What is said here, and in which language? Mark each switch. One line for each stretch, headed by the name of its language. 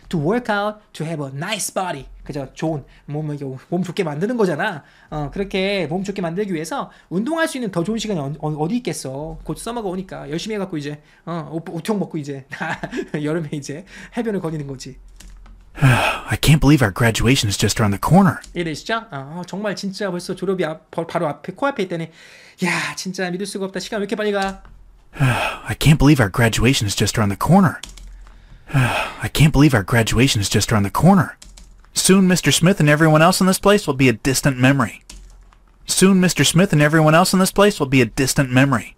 English: To work out, to have a nice body.
Korean: 그죠? 좋은 몸 좋게 만드는 거잖아. 그렇게 몸 좋게 만들기 위해서 운동할 수 있는 더 좋은 시간이 어디 있겠어? 곧 서머가 오니까 열심히 해갖고 이제 우통 먹고 이제 여름에 이제 해변을 거니는 거지.
English: I can't believe our graduation is just around the corner. It is, 짱.
Korean: 정말 진짜 벌써 졸업이 바로 앞에 코앞에 있다네. 야, 진짜 믿을 수가 없다. 시간 왜 이렇게 빨리 가?
English: I can't believe our graduation is just around the corner. I can't believe our graduation is just around the corner. Soon, Mr. Smith and everyone else in this place will be a distant memory. Soon, Mr. Smith and everyone else in this place will be a distant memory.